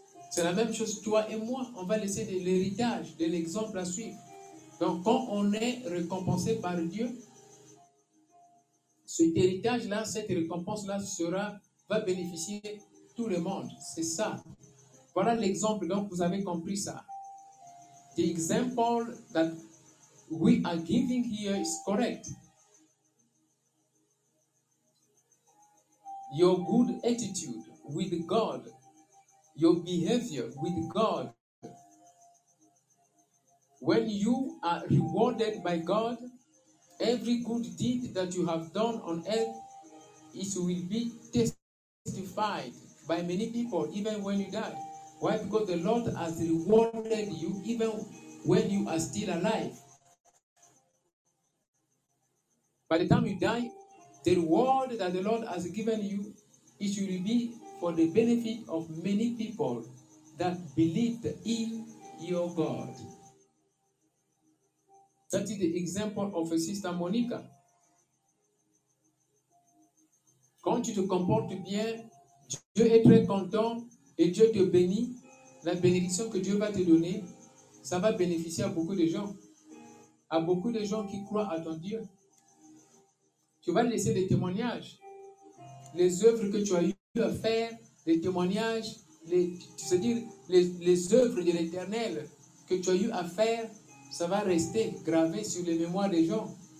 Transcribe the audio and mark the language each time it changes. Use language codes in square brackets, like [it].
[fr] C'est la même chose, toi et moi, on va laisser de l'héritage, de l'exemple à suivre. Donc, quand on est récompensé par Dieu, cet héritage-là, cette récompense-là va bénéficier tout le monde. C'est ça. Voilà l'exemple, donc vous avez compris ça. [en] The example that we are giving here is correct. Your good attitude with God, your behavior with God, when you are rewarded by God, every good deed that you have done on earth, it will be testified by many people even when you die. Why? Because the Lord has rewarded you even when you are still alive. By the time you die, the reward that the Lord has given you, it will be for the benefit of many people that believed in your God. That is the example of a Sister Monica. [fr] Quand tu te comportes bien, Dieu est très content et Dieu te bénit. La bénédiction que Dieu va te donner, ça va bénéficier à beaucoup de gens, à beaucoup de gens qui croient à ton Dieu. Tu vas laisser des témoignages, les œuvres que tu as eu à faire, les témoignages, les œuvres de l'Éternel que tu as eu à faire, ça va rester gravé sur les mémoires des gens.